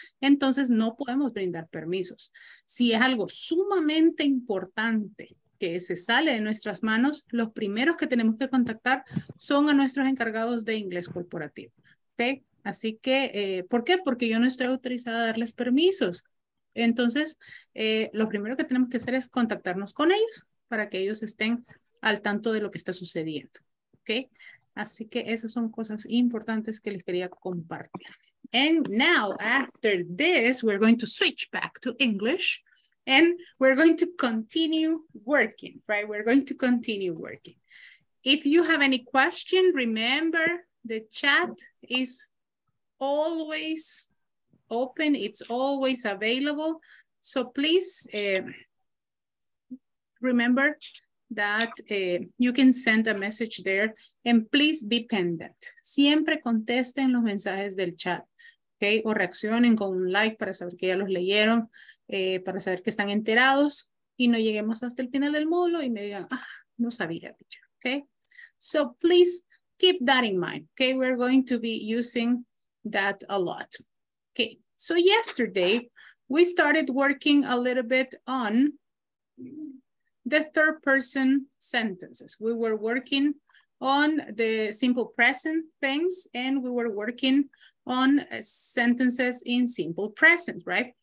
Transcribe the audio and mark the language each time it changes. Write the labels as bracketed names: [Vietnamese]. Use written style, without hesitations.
[Spanish] Entonces, no podemos brindar permisos. Si es algo sumamente importante que se sale de nuestras manos, los primeros que tenemos que contactar son a nuestros encargados de inglés corporativo. ¿Okay? Así que, ¿por qué? Porque yo no estoy autorizada a darles permisos. Entonces, lo primero que tenemos que hacer es contactarnos con ellos para que ellos estén al tanto de lo que está sucediendo. ¿Okay? Así que esas son cosas importantes que les quería compartir. [English] And now, after this, we're going to switch back to English. And we're going to continue working, right? We're going to continue working. If you have any question, remember the chat is always open. It's always available. So please remember that you can send a message there. And please be pendant. [Spanish] Siempre contesten los mensajes del chat. Okay, o reaccionen con un like para saber que ya los leyeron, para saber que están enterados y no lleguemos hasta el final del módulo y me digan, ah, no sabía, teacher. [English] Okay, so please keep that in mind. Okay, we're going to be using that a lot. Okay, so yesterday we started working a little bit on the third person sentences. We were working on the simple present things and we were working on sentences in simple present, right?